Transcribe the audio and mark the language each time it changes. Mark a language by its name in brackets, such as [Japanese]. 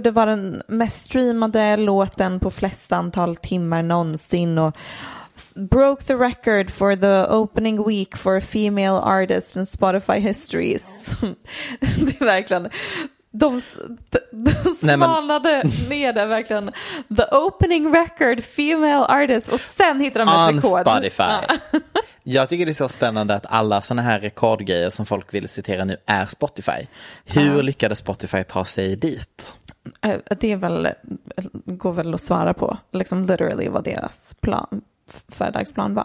[Swedish] Det var den mest streamade låten på flest antal timmar någonsin och [English] broke the record for the opening week for a female artist in Spotify history. [Swedish] Det är verkligen De smalnade ner det verkligen. [English] The opening record, female artist. [Swedish] Och sen hittar de [English] on [Swedish] ett rekord. [English] On Spotify. [Swedish] Jag tycker det är så spännande att alla såna här rekordgrejer som folk vill citera nu är Spotify. Hur lyckades Spotify ta sig dit? Det är väl, går väl att svara på. Liksom literally vad deras plan, fördagsplan var.